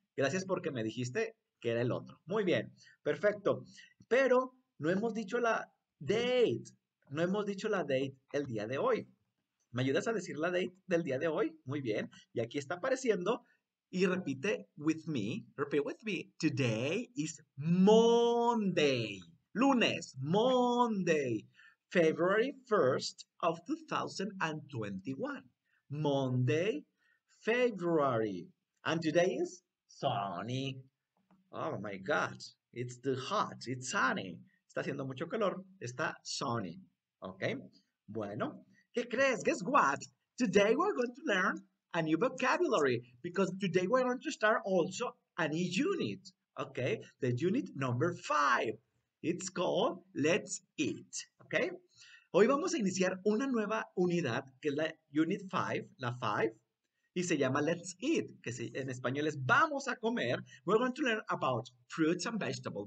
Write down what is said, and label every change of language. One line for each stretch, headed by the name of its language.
Spanish: Gracias porque me dijiste que era el otro. Muy bien. Perfecto. Pero no hemos dicho la date. No hemos dicho la date el día de hoy. ¿Me ayudas a decir la date del día de hoy? Muy bien. Y aquí está apareciendo. Y repite
English: with me, repeat with me. Today is Monday, lunes, Monday, February 1st of 2021. Monday, February. And today is sunny. Oh my God, it's too hot, it's sunny.
Spanish: Está haciendo mucho calor, está sunny. Okay, bueno, ¿qué crees?
English: Guess what? Today we're going to learn a new vocabulary, because today we're going to start also a new unit, okay? The unit number 5. It's called Let's Eat, okay?
Spanish: Hoy vamos a iniciar una nueva unidad, que es la unit 5, la 5, y se llama Let's Eat, que en español es vamos a comer.
English: We're going to learn about fruits and vegetables.